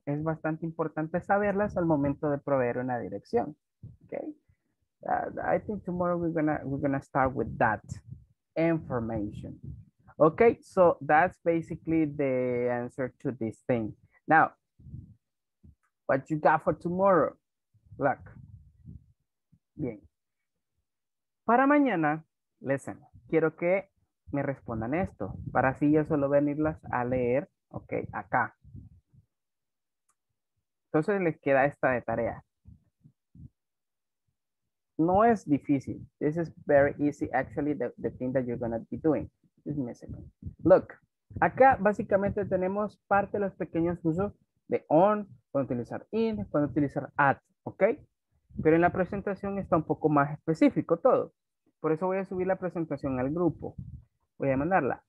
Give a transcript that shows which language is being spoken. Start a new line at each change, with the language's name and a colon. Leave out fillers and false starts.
Spanish: Es bastante importante saberlas al momento de proveer una dirección. Okay.
English: I think tomorrow we're gonna start with that information. Okay, so that's basically the answer to this thing. Now, what you got for tomorrow? Look.
Spanish: Bien. Para mañana, listen. Quiero que me respondan esto, para así yo solo venirlas a leer, ok, acá. Entonces les queda esta de tarea. No es difícil.
English: This is very easy, actually, the thing that you're going to be doing. Just give me a second.
Spanish: Look, acá básicamente tenemos parte de los pequeños usos de on, cuando utilizar in, cuando utilizar at, ok. Pero en la presentación está un poco más específico todo. Por eso voy a subir la presentación al grupo. Voy a mandarla.